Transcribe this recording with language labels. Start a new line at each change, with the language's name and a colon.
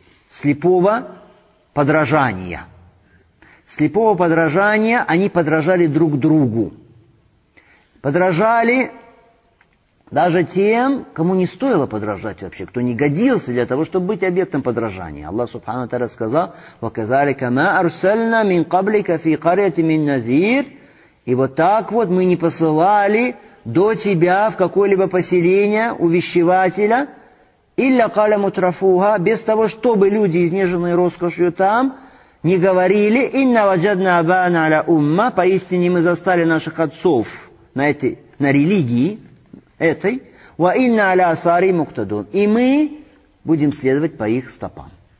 Russian: Слепого подражания. Слепого подражания они подражали друг другу. Подражали даже тем, кому не стоило подражать вообще, кто не годился для того, чтобы быть объектом подражания. Аллах Субхану ва Тааля сказал,
Arabic: وَكَذَلِكَ مَا أَرْسَلْنَا مِنْ قَبْلِكَ فِي قَرْيَةٍ مِنْ نَذِيرٍ.
Russian: И вот так вот мы не посылали до тебя в какое-либо поселение увещевателя,
Arabic: إِلَّا قَالَ مُتْرَفُوهَا,
Russian: без того, чтобы люди, изнеженные роскошью там, не говорили,
Arabic: إِنَّا وَجَدْنَا أَبَانَا عَلَى أُمَّةٍ,
Russian: поистине мы застали наших отцов на этой, на религии, этой,
Arabic: وَإِنَّ عَلَى أَثَارِهِمْ مُقْتَدُونَ,
Russian: и мы будем следовать по их стопам.